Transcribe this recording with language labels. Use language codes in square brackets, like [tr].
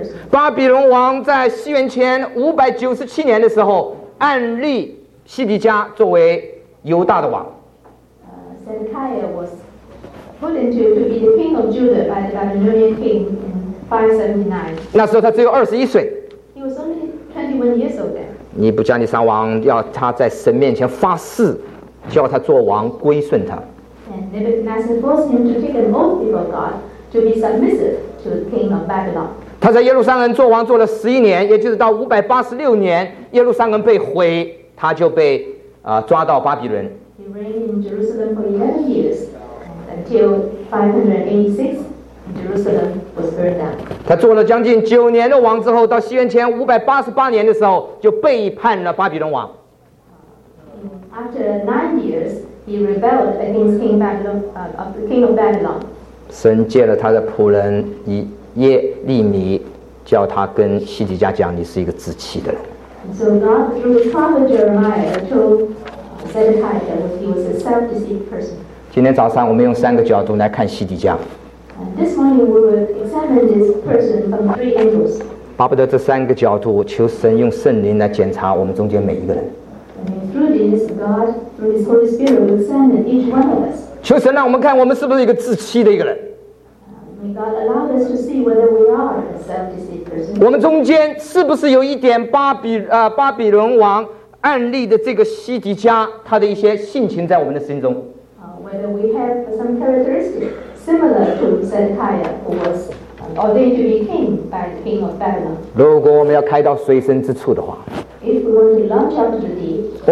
[zh] 巴比伦王在西元前597年的时候按立西底家作为犹大的王。 [en] Zedekiah was put into to be the king of Judah by the Babylonian king in 579. [zh] 那时候他只有二十一岁。 [en] He was only 21 years old then. [zh] 尼布加尼撒王要他在神面前发誓，叫他做王归顺他。 [en] And Nebuchadnezzar forced him to take an oath before God to be submissive to the king of Babylon. [zh] 他在耶路撒冷做王做了十一年，也就是到586年耶路撒冷被毁，他就被、抓到巴比伦。 [en] He reigned in Jerusalem for 11 years until 586 Jerusalem was burned down. [zh] 他做了将近九年的王之后，到西元前588年的时候就背叛了巴比伦王。 [en] After 9 years he rebelled against King Babylon, King of Babylon. [zh] 神借了他的仆人以耶利米叫他跟西底家讲，你是一个自欺的人。 [en] So God through the prophet Jeremiah told Zedekiah that he was a self-deceived person. [zh] 今天早上我们用三个角度来看西底家。 [en] This morning we will examine this person from three angles. [zh] 巴不得这三个角度，求神用圣灵来检查我们中间每一个人。 [en] And through this, God through His Holy Spirit will examine each one of us. [zh] 求神让我们看我们是不是一个自欺的一个人。 [en] May God allow us to see whether we are a self-deceived person. [zh] 我们中间是不是有一点巴比伦王案例的这个西底家他的一些性情在我们的心中？ [en] Whether we have some characteristics similar to Zedekiah, who was ordained to be king by the king of Babylon. [zh] 如果我们要开到水深之处的话， [en] If we want to launch out to the deep,